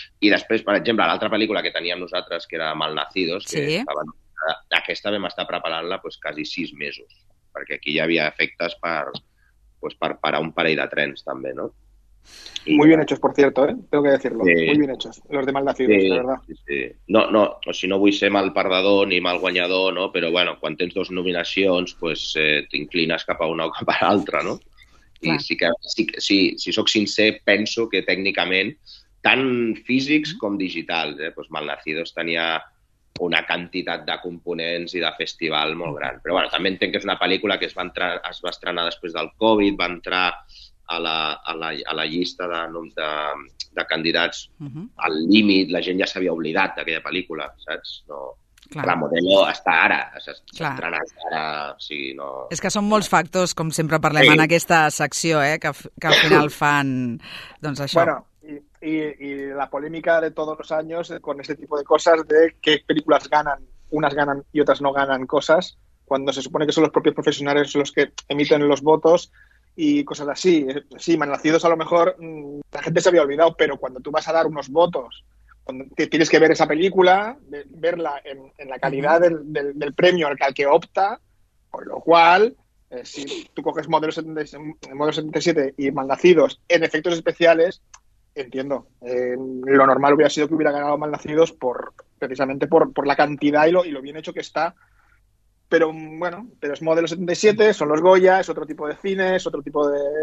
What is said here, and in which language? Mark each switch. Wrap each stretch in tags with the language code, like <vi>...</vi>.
<ca>I després, per exemple, l'altra pel·lícula que teníem nosaltres, que era Malnacidos, aquesta vam estar preparant-la pues, quasi 6 mesos, perquè aquí ja havia efectes per parar un parell de trens, també, no? Sí.</ca> <es>Muy bien hechos, por cierto, tengo que decirlo. Sí. Muy bien hechos, los de Malnacidos, la verdad.</es> <ca>Sí. No, si no vull ser mal perdedor ni mal guanyador, no? Però bueno, quan tens 2 nominacions, pues, t'inclines cap a una o cap a l'altra, no? I sí que, si sóc sincer, penso que tècnicament, tant físics com digitals, pues Malnacidos tenia una quantitat de components i de festival molt gran. Però bueno, també entenc que és una pel·lícula que es va estrenar després del Covid, va entrar a la llista de noms de candidats al límit, la gent ja s'havia oblidat d'aquella pel·lícula, saps? No... Clar. La Modelo està ara, s'estrenarà, o sigui, no... És que són molts factors, com sempre parlem, sí, en aquesta secció, que al final fan, doncs, això.</ca> <es>Bueno, y la polémica de todos los años con este tipo de cosas, de qué películas ganan, unas ganan y otras no ganan cosas, cuando se supone que son los propios profesionales los que emiten los votos y cosas así. Sí, Malnacidos a lo mejor la gente se había olvidado, pero cuando tú vas a dar unos votos, tienes que ver esa película, verla en la calidad del premio al que opta, con lo cual, si tú coges Modelo 77 y Malnacidos en efectos especiales, entiendo, lo normal hubiera sido que hubiera ganado Malnacidos precisamente por la cantidad y lo bien hecho que está, pero bueno, pero es Modelo 77, son los Goya, es otro tipo de cine, es otro tipo de...</es>